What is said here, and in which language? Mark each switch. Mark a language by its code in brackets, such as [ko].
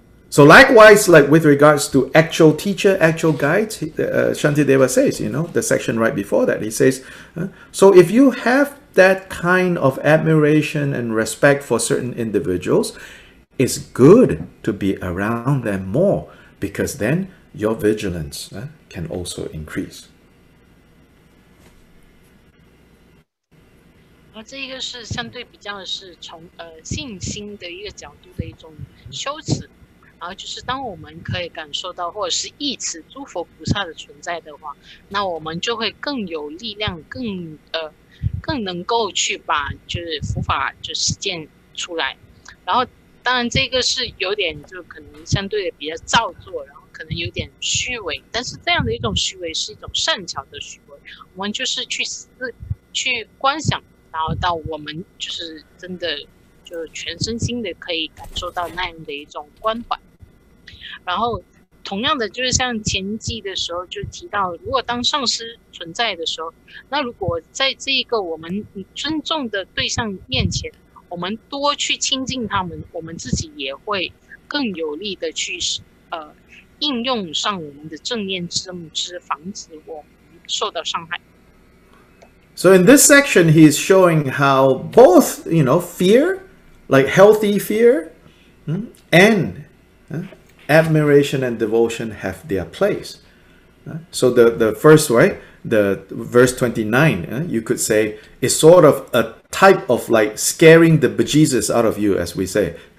[en] So likewise, like with regards to actual teacher, actual guides, Shantideva says, you know, the section right before that, he says, so if you have that kind of admiration and respect for certain individuals, it's good to be around them more, because then your vigilance can also increase. [zh] 而这一个是相对比较的是从信心的一个角度的一种修持，然后就是当我们可以感受到或者是忆起诸佛菩萨的存在的话，那我们就会更有力量，更能够去把就是佛法就实践出来。然后当然这个是有点就可能相对的比较造作，然后可能有点虚伪，但是这样的一种虚伪是一种善巧的虚伪，我们就是去观想。然后到我们就是真的就全身心的可以感受到那样的一种关怀。然后同样的就是像前记的时候就提到，如果当上师存在的时候，那如果在这个我们尊重的对象面前，我们多去亲近他们，我们自己也会更有力的去应用上我们的正念之母之，防止我们受到伤害。 [en] So in this section, he's showing how both, you know, fear, like healthy fear, and admiration and devotion have their place. So the first, right, the verse 29, you could say, is sort of a type of like scaring the bejesus out of you, as we say.